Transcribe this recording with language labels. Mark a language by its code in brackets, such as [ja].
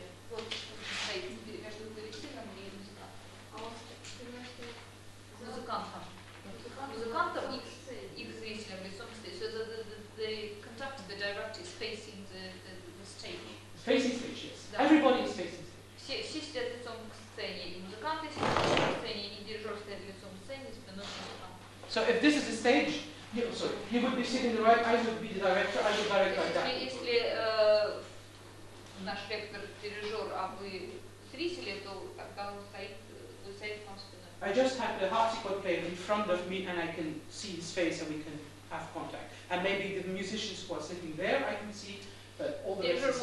[ru] Вот что стоит между коллективом и музыкантом. Музыкантом и зрителем лицом стоит. [en] So the conductor, the director is facing the stage. Facing stage, yes. Да. Everybody is facing stage. [ru] Все сидят лицом к сцене. И музыканты сидят лицом к сцене, и дирижер стоит лицом к сцене, спиной к музыкантам. [en] So if this is the stage, yeah, so he would be sitting the right, I would be the director, I would direct like that. [ru] Если наш лектор дирижер, а вы зрители, то тогда он стоит вам спиной. [en] I just have the harpsichord player in front of me and I can see his face and we can have contact. And maybe the musicians who are sitting there, I can see, but all the rest